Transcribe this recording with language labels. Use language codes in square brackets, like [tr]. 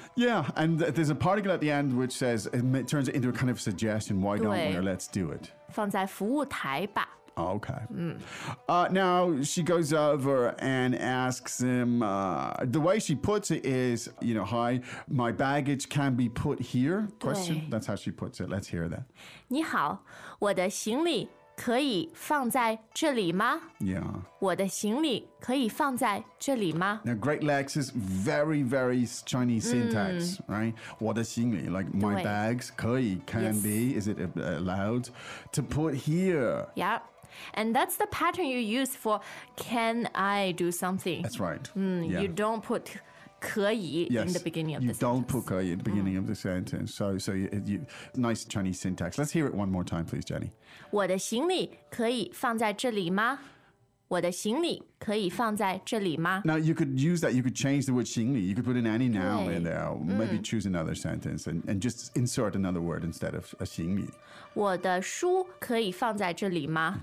[en] Yeah, and there's a particle at the end which says, it turns it into a kind of suggestion, why don't we, or let's do it. [zh] 放在服务台吧。 [en] Okay. Now, she goes over and asks him, the way she puts it is, you know, hi, my baggage can be put here? Question? That's how she puts it. Let's hear that. [zh] 你好,我的行李可以放在这里吗? [en] Yeah. [zh] 我的行李可以放在这里吗? [en] Now, great Lex is very, very Chinese syntax, right? [zh] 我的行李, [en] like my bags, [zh] 可以, [en] can be, is it allowed to put here? Yeah. And that's the pattern you use for can I do something. That's right. Yeah. You don't put 可以 in the beginning of the sentence. You don't put 可以 in the beginning of the sentence. So you, nice Chinese syntax. Let's hear it one more time, please, Jenny. [zh] 我的行李可以放在这里吗?我的行李可以放在这里吗? [en] Now, you could use that. You could change the word 行李. You could put in any noun in there. Maybe choose another sentence and just insert another word instead of 行李. [zh] 我的书可以放在这里吗?